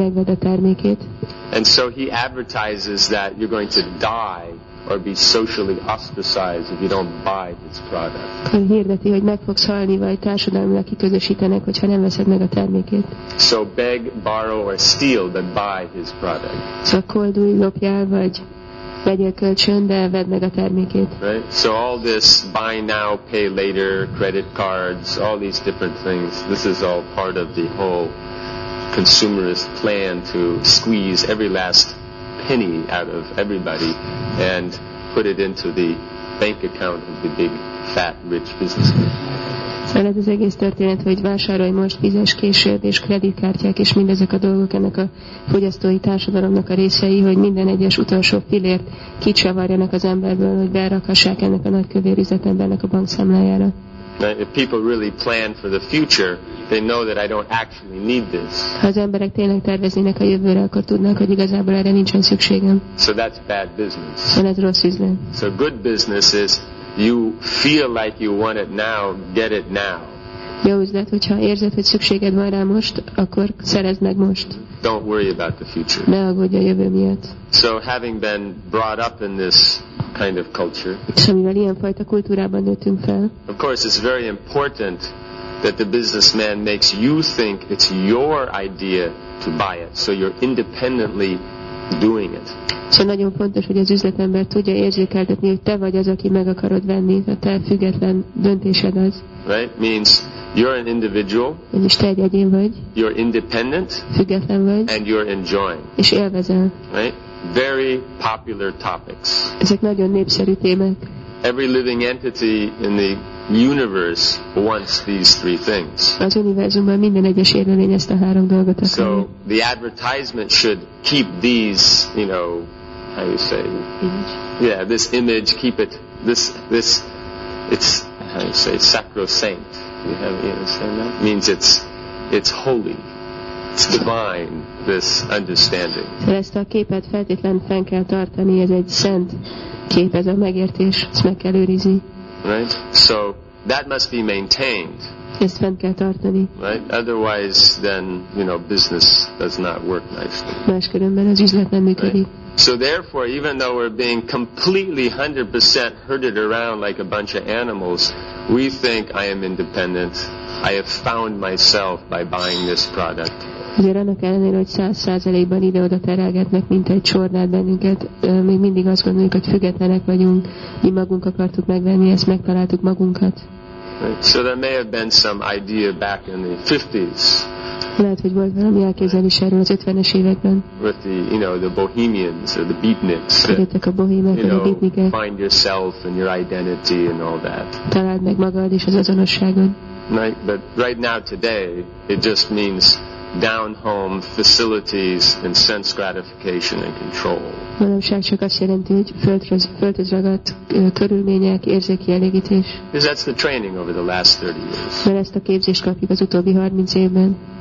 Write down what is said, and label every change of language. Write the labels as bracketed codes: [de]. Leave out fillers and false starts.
[en] And so he advertises that you're going to die or be socially ostracized if you don't buy this product. [hu] Akkor hirdeti, hogy meg fogsz halni, vagy társadalmilag kiközösítenek, hogyha nem veszed meg a terméket. [en] So beg, borrow, or steal, but buy his product. [hu] Szóval koldulj, lopjál, vagy vegyél kölcsön, de vedd meg a terméket. [en] Right? So all this buy now, pay later, credit cards, all these different things, this is all part of the whole consumerist plan to squeeze every last penny out of everybody and put it into the bank account of the big fat rich businessman. [hu] Ez az egész történet, hogy vásárolj most, fizess később, és kreditkártyák, és mindezek a dolgok ennek a fogyasztói társadalomnak a részei, hogy minden egyes utolsó fillért kicsavarjanak az emberből, hogy berakassák ennek a nagy kövér üzletembernek a bankszámlájára. [en] If people really plan for the future, they know that I don't actually need this. [hu] Ha az emberek tényleg terveznének a jövőre, akkor tudnak, hogy igazából erre nincsen szükségem. [en] So that's bad business. [hu] Szóval ez rossz üzlet. [en] So good business is you feel like you want it now, get it now. [hu] Jó üzlet, hogyha érzed, hogy szükséged van rá most, akkor szerezd meg most. [en] Don't worry about the future. [hu] Ne aggódj a jövő miatt. [en] So having been brought up in this kind of culture. [hu] Szóval ilyen fajta kultúrában nőttünk fel. [en] Of course, it's very important that the businessman makes you think it's your idea to buy it, so you're independently doing it. [hu] Szóval nagyon fontos, hogy az üzletember tudja érzékeltetni, hogy te vagy az, aki meg akarod venni, a te független döntésed az. [en] Right? Means you're an individual. [hu] És te egy egyén vagy. [en] You're independent. [hu] Független vagy. [en] And you're enjoying. [hu] És élvezel. [en] Right? Very popular topics. [hu] Ezek nagyon népszerű témák. [en] Every living entity in the universe wants these three things. [hu] Az univerzumban minden egyes élőlény ezt a három dolgot akarja. [en] So the advertisement should keep these, you know, how you say? Image. Yeah, this image, keep it. This, it's how you say, sacrosanct. You have, you understand that? Means it's holy. It's divine, this understanding. [hu] Ezt a képet feltétlen fenn kell tartani, ez egy szent kép, ez a megértés, ezt meg kell őrizni. [en] Right? So that must be maintained. [hu] Ezt fenn kell tartani. [en] Right? Otherwise, then, you know, business does not work nicely. [hu] Máskülönben az üzlet nem működik. [en] Right? So therefore, even though we're being completely 100% herded around like a bunch of animals, we think I am independent. I have found myself by buying this product. [hu] Ugyan annak ellenére, hogy 100%-ban ide-oda terelgetnek, mint egy csordát bennünket, még mindig azt gondoljuk, hogy függetlenek vagyunk, mi magunk akartuk megvenni, ezt megtaláltuk magunkat. [en] So there may have been some idea back in the 50s. [hu] Lehet, hogy volt valami elképzelés erről az 50-es években. [en] With the, you know, the bohemians or the beatniks. [hu] Kérdettek a bohémek, [en] you know, [hu] a beatnikek. [en] Find yourself and your identity and all that. [hu] Találd meg magad és az azonosságod. [en] Right, but right now today, it just means down home facilities and sense gratification and control. [hu] Manapság csak azt jelenti, hogy földhöz ragadt körülmények, érzéki elégítés. [en] Because that's the training over the last 30 years. [hu] Mert ezt a képzést kapjuk az utóbbi 30 évben.